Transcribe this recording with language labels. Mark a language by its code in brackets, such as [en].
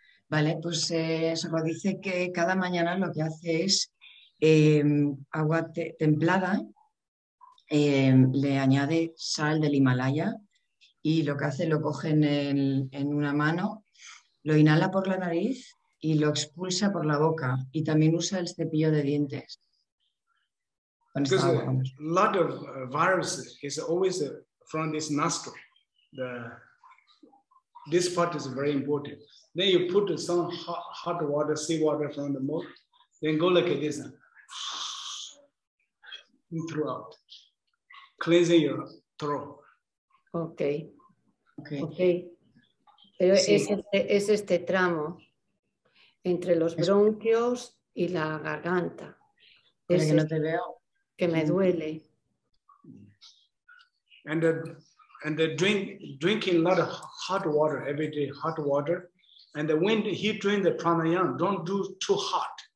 [es] Vale, pues Soko dice que cada mañana lo que hace es agua templada, le añade sal del Himalaya y lo que hace lo coge en una mano, lo inhala por la nariz y lo expulsa por la boca y también usa el cepillo de dientes. [en] Because a lot of virus is always from this nostril. This part is very important. Then you put some hot water, sea water from the mouth, then go like this throughout, cleansing your throat. [es] Okay. Pero sí. Es este tramo entre los bronquios y la garganta. Es que no te veo. Que me duele. [en] And the drinking a lot of hot water, every day hot water. And when he doing the pranayama, don't do too hot.